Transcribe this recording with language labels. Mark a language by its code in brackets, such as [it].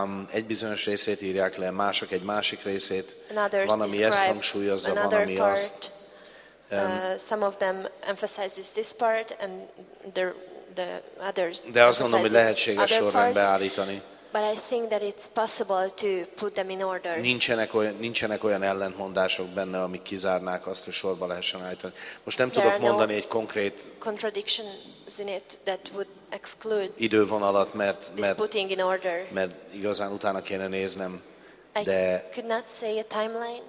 [hu] Egy bizonyos részét írják le, mások egy másik részét, van, ami ezt hangsúlyozza, van, ami azt. [en] Some of them emphasizes this part, and the others. [hu] De azt gondolom, hogy lehetséges sorrendbe beállítani. [en] But I think that it's possible to put them in order. [hu] Nincsenek olyan ellentmondások benne, amik kizárnák azt, hogy sorba lehessen állítani. Most nem tudok mondani egy konkrét [en] contradictions in it that would exclude [hu] idővonalat, mert [en] putting in order. [hu] Mert igazán utána kéne néznem. De [en] I could not say a timeline.